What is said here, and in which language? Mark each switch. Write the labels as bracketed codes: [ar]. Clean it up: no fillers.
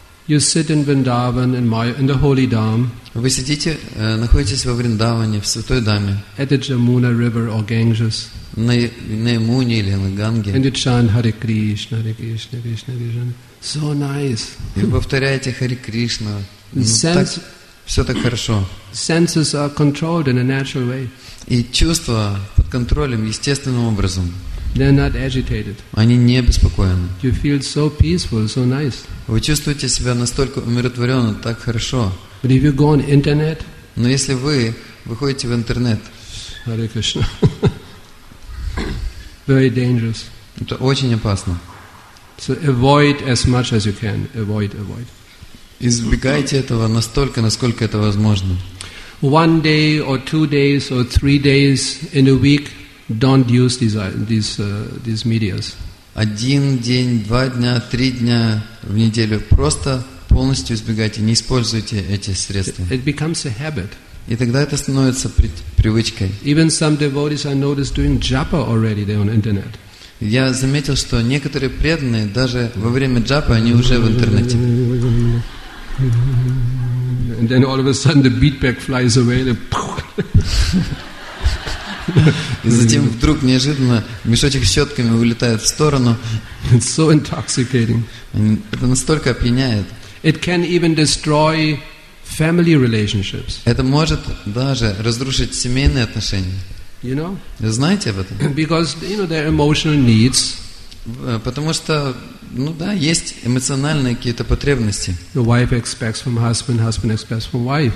[en] You sit in Vrindavan, in the holy dham. [ru] Вы сидите, находитесь во Вриндаване, в Святой Даме. [en] At the Jamuna River or Ganges. [ru] На Ямуне или на Ганге. [en] And you chant Hare Krishna, Hare Krishna, Krishna Krishna. So nice. [ru] И повторяете Хари Кришна. Все так хорошо. [en] Senses are controlled in a natural way. [ru] И чувства под контролем естественным образом. [en] They're not agitated. [ru] Они не беспокоены. [en] You feel so peaceful, so nice. [ru] Вы чувствуете себя настолько умиротворенно, так хорошо. [en] But if you go on internet, [ru] но если вы выходите в интернет, [en] Hare Krishna. Very dangerous. [ru] Это очень опасно. [en] So avoid as much as you can. Avoid. [ru] Избегайте этого настолько, насколько это возможно. [en] One day or two days or three days in a week, don't use these medias. [ru] Один день, два дня, три дня в неделю просто полностью избегайте, не используйте эти средства. [en] It becomes a habit. [ru] И тогда это становится привычкой. [en] Even some devotees I noticed doing japa already there on internet. [ru] Я заметил, что некоторые преданные даже во время джапы они уже в интернете. [en] And then all of a sudden the beatback flies away. [ru] И затем вдруг неожиданно мешочек с щетками улетает в сторону. [en] It's so intoxicating. [ru] Это настолько опьяняет. [en] It can even destroy family relationships. [ru] Это может даже разрушить семейные отношения. [en] You know? [ru] Знаете об этом? [en] Because, you know, there are emotional needs. [ru] Потому что, ну да, есть эмоциональные какие-то потребности. [en] The wife expects from husband, husband expects from wife.